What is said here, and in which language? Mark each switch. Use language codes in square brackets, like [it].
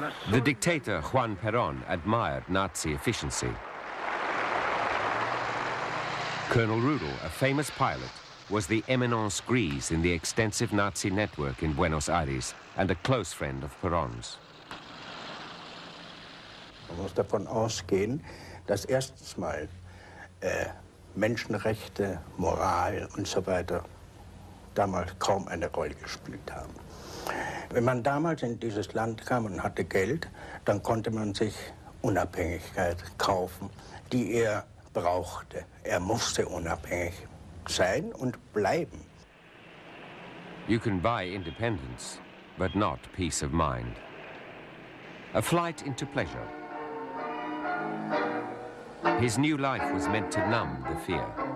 [en] The dictator Juan Perón admired Nazi efficiency. Colonel Rudel, a famous pilot, was the eminence grise in the extensive Nazi network in Buenos Aires and a close friend of Perón's. [de] Man muss davon ausgehen, dass erstens mal Menschenrechte, Moral und so weiter damals kaum eine Rolle gespielt haben. Wenn man damals in dieses Land kam und hatte Geld, dann konnte man sich Unabhängigkeit kaufen, die er brauchte. Er musste unabhängig sein und bleiben. [en] You can buy independence, but not peace of mind. A flight into pleasure. His new life was meant to numb the fear.